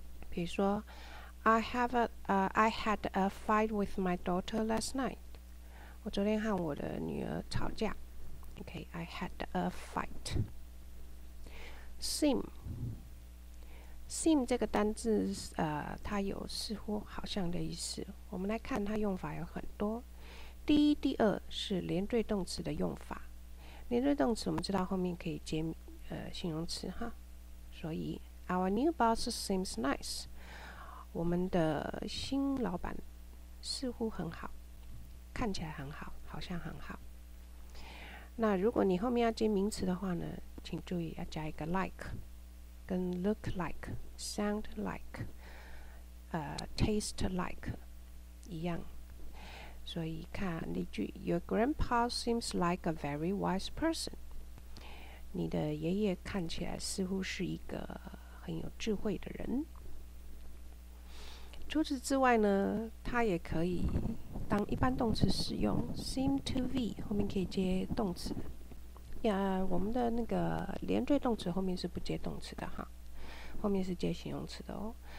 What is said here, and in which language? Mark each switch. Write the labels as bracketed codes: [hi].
[zh] 比如说 [en] I had a fight with my daughter last night. [zh] 我昨天和我的女儿吵架。 [en] Okay, I had a fight. [zh] Seem 这个单字，它有似乎好像的意思。我们来看它用法有很多。第一、第二是连缀动词的用法。连缀动词我们知道后面可以接形容词哈，所以 [en] Our new boss seems nice. [zh] 我们的新老板似乎很好，看起来很好，好像很好。那如果你后面要接名词的话呢，请注意要加一个 like， 跟 look like、sound like、taste like 一样。所以看例句 [en] ，Your grandpa seems like a very wise person. [zh] 你的爷爷看起来似乎是一个很有智慧的人。除此之外呢，它也可以当一般动词使用 ，seem to be 后面可以接动词。我们的那个连缀动词后面是不接动词的哈，后面是接形容词的哦。